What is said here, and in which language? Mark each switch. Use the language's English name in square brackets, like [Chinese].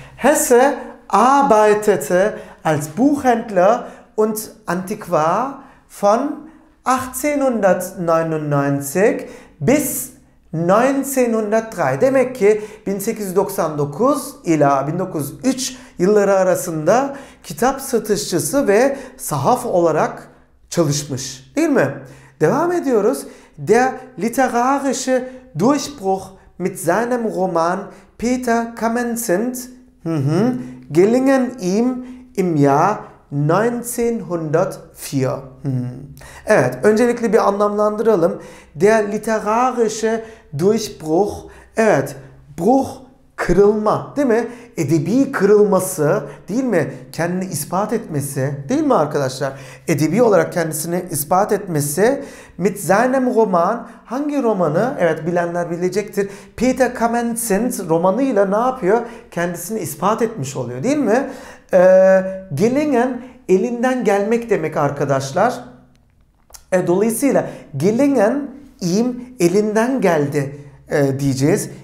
[German] Hesse arbeitete als Buchhändler und Antiquar von 1899 bis 1903. [Turkish] Demek ki 1899 ila 1903 yılları arasında kitap satışçısı ve sahaf olarak çalışmış. Değil mi? Devam ediyoruz. [German] Der literarische Durchbruch mit seinem Roman Peter Camenzind gelingen ihm im Jahr 1904. [Turkish] Evet, öncelikle bir anlamlandıralım. [German] Der literarische Durchbruch. [Turkish] Evet, Bruch, kırılma, değil mi? Edebi kırılması, değil mi? Kendini ispat etmesi, değil mi arkadaşlar? Edebi olarak kendisini ispat etmesi. Mit seinem Roman, hangi romanı? Evet, bilenler bilecektir. Peter Kamenzin's romanıyla ne yapıyor? Kendisini ispat etmiş oluyor, değil mi? Gelingen, elinden gelmek demek arkadaşlar. Dolayısıyla [German] gelingen, ihm, [Turkish] elinden geldi diyeceğiz.